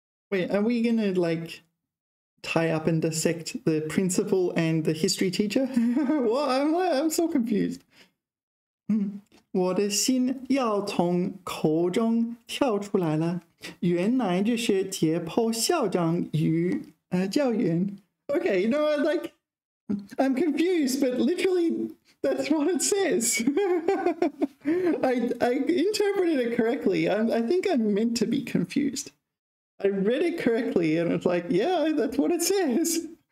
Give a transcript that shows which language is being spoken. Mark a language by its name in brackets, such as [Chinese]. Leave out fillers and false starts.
[English] Wait, are we going to, like, tie up and dissect the principal and the history teacher? What? I'm so confused. [Chinese] 我的心要从口中跳出来了。原来这是解剖校长与教员。 [English] Okay, you know, like, I'm confused, but literally, that's what it says. I interpreted it correctly. I think I'm meant to be confused. I read it correctly, and it's like, yeah, that's what it says.